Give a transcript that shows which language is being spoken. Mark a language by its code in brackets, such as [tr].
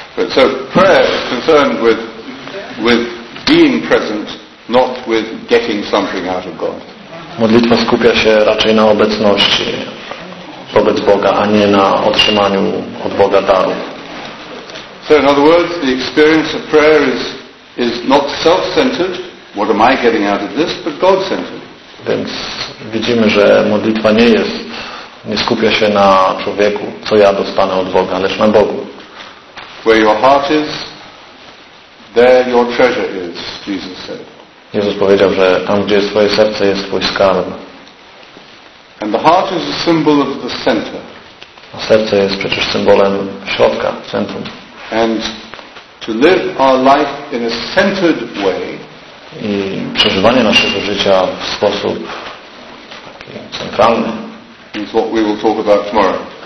[en] So prayer is concerned with being present, not with getting something out of God. [pl] Modlitwa skupia się raczej na obecności wobec Boga, a nie na otrzymaniu od Boga daru. [en] So in other words, the experience of prayer is not self-centered, what am I getting out of this, but God-centered. [pl] Więc widzimy, że modlitwa nie skupia się na człowieku, co ja dostanę od Boga, lecz na Bogu. [en] Where your heart is, there your treasure is, Jesus said. [pl] Jezus powiedział, że tam, gdzie jest twoje serce, jest twój skarb. [en] And the heart is a symbol of the center. [pl] A serce jest przecież symbolem środka, centrum. [en] And to live our life in a centered way. [pl] I przeżywanie naszego życia w sposób taki centralny. [en] Is what we will talk about tomorrow.